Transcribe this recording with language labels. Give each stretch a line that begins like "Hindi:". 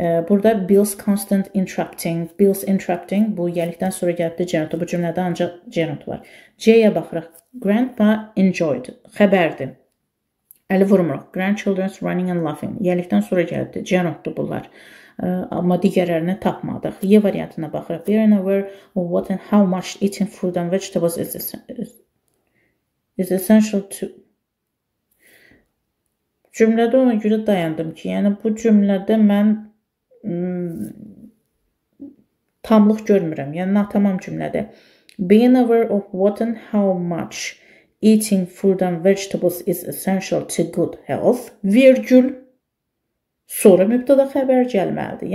English: Burada Bill's constant interrupting. Bill's interrupting.
Azerbaijani: Bu yəlikdən sonra gəlibdir gerund. Bu cümlədə ancaq gerund var. C-yə baxırıq.
English: Grandpa enjoyed.
Azerbaijani: Xəbərdir. Əli vurmuruq.
English: Grandchildren's running and laughing.
Azerbaijani: Yəlikdən sonra gəlibdir. Gerunddur bunlar. Amma digərlərini tapmadıq. Y variantına baxırıq.
English: We are aware of what and how much eating food and vegetables is essential to...
Azerbaijani: Cümlədə ona görə dayandım ki, yəni bu cümlədə mən tamlıq görmürəm. Yəni, natamam cümlədə.
English: Being aware of what and how much eating food and vegetables is essential to good health,
Azerbaijani: virgül, sonra mübtəda xəbər gəlməlidir.